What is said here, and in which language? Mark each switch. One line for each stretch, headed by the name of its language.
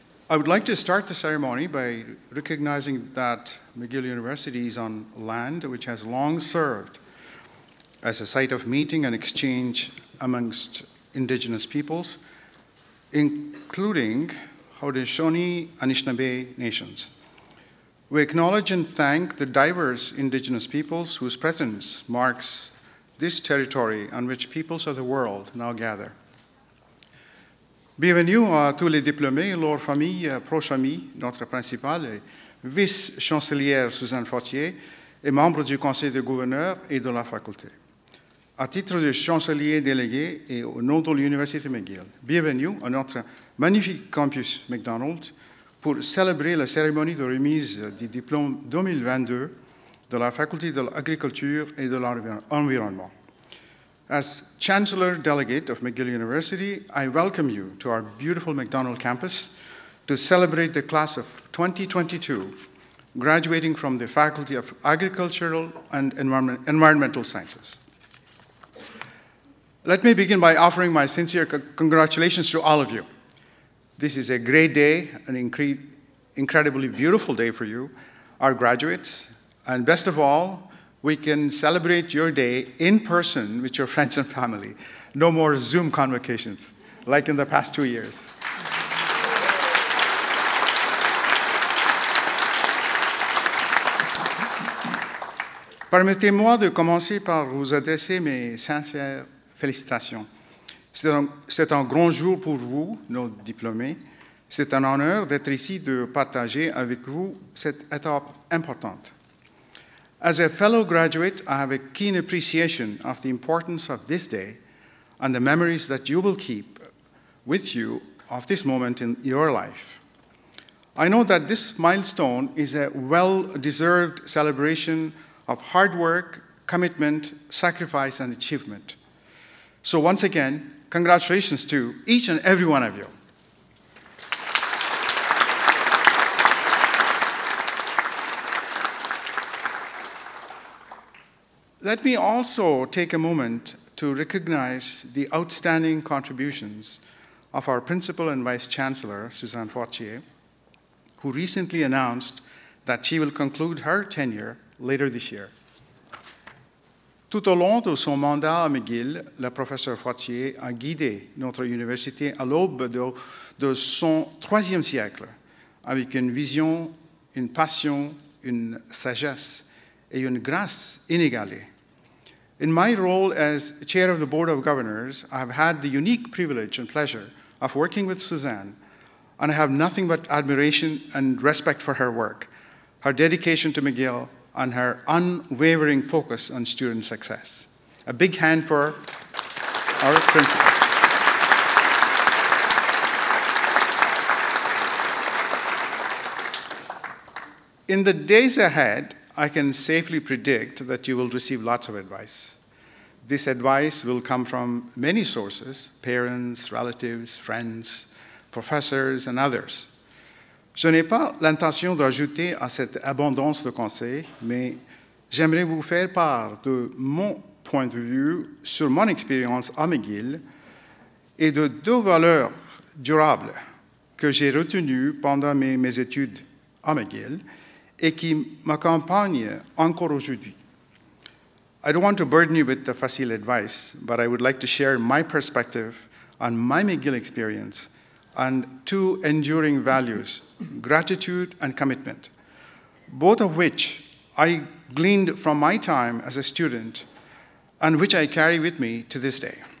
English: I would like to start the ceremony by recognizing that McGill University is on land which has long served as a site of meeting and exchange amongst indigenous peoples, including Haudenosaunee, Anishinaabe nations. We acknowledge and thank the diverse indigenous peoples whose presence marks this territory on which peoples of the world now gather.
French: Bienvenue à tous les diplômés, leurs familles, proches amis, notre principale vice-chancelière Suzanne Fortier et membres du conseil de gouverneurs et de la faculté. À titre de chancelier délégué et au nom de l'Université McGill, bienvenue à notre magnifique campus McDonald's pour célébrer la cérémonie de remise du diplôme 2022 de la Faculté de l'Agriculture et de l'Environnement.
English: As Chancellor Delegate of McGill University, I welcome you to our beautiful McDonald campus to celebrate the class of 2022, graduating from the Faculty of Agricultural and Environmental Sciences. Let me begin by offering my sincere congratulations to all of you. This is a great day, an incredibly beautiful day for you, our graduates, and best of all, we can celebrate your day in person with your friends and family. No more Zoom convocations, like in the past 2 years.
French: Permettez-moi de commencer par vous adresser mes sincères félicitations. C'est un grand jour pour vous, nos diplômés. C'est un honneur d'être ici de partager avec vous cette étape importante.
English: As a fellow graduate, I have a keen appreciation of the importance of this day and the memories that you will keep with you of this moment in your life. I know that this milestone is a well-deserved celebration of hard work, commitment, sacrifice, and achievement. So once again, congratulations to each and every one of you. Let me also take a moment to recognize the outstanding contributions of our principal and vice chancellor, Suzanne Fortier, who recently announced that she will conclude her tenure later this year.
French: Tout au long de son mandat à McGill, le professeur Fortier a guidé notre université à l'aube de son troisième siècle avec une vision, une passion, une sagesse et une grâce inégalée.
English: In my role as chair of the Board of Governors, I have had the unique privilege and pleasure of working with Suzanne, and I have nothing but admiration and respect for her work, her dedication to McGill, and her unwavering focus on student success. A big hand for our principal. In the days ahead, I can safely predict that you will receive lots of advice. This advice will come from many sources, parents, relatives, friends, professors, and others.
French: Je n'ai pas l'intention d'ajouter à cette abondance de conseils, mais j'aimerais vous faire part de mon point de vue sur mon expérience à McGill et de deux valeurs durables que j'ai retenues pendant mes études à McGill et qui m'accompagnent encore aujourd'hui.
English: I don't want to burden you with the facile advice, but I would like to share my perspective on my McGill experience and two enduring values, gratitude and commitment, both of which I gleaned from my time as a student and which I carry with me to this day.